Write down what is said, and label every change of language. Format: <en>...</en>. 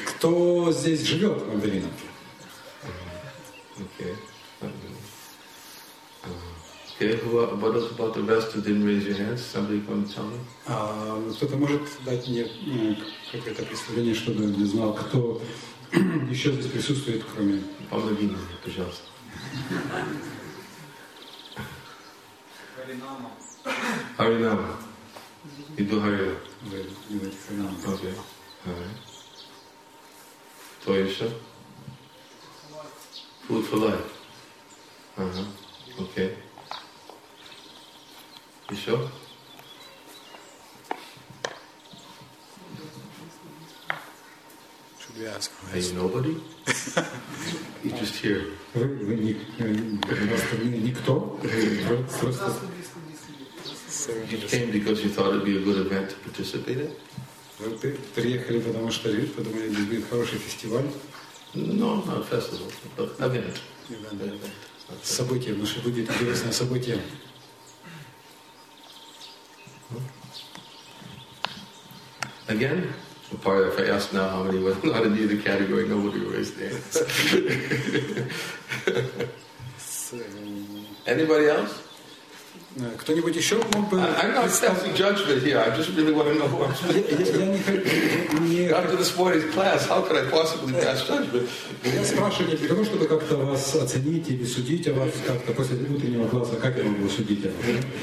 <ru>Кто здесь живет в Магдалинке?</ru> <en>Okay, what else about the rest who didn't raise your hands? Somebody can tell me?</en> <ru>Кто-то может дать мне какое-то представление, чтобы не знал, кто еще здесь присутствует, кроме... Помоги мне, пожалуйста. Харинама. Иду Харинама. Вы думаете Харинама. Окей.</ru> <en>Okay. Right.</en> <ru>Кто еще?</ru> <en>Food for life. Окей. Okay.</en> <ru>Еще?</ru> <en>Should we ask? Are you nobody? You just here.</en> <ru>Вы никто? Просто...</ru> <en>You came because you thought it'd be a good event to participate in?</en> <ru>Вы приехали, потому что вы подумали, это будет хороший фестиваль?</ru> <en>No, not a festival, but an event.</en> <ru>Событие, потому что будет интересное событие.</ru> <en>Again? Apart if I ask now how many were not in the other category, nobody raised their hands. Anybody else?</en> <ru>Кто-нибудь еще мог бы...</ru> <en>I'm not passing judgment here. I just really want to know who I'm speaking to. After this morning's class, how could I possibly pass judgment?</en> <ru>Я спрашиваю не для того, чтобы как-то вас оценить или судить о вас как-то после утреннего класса, как я могу судить о вас?</ru>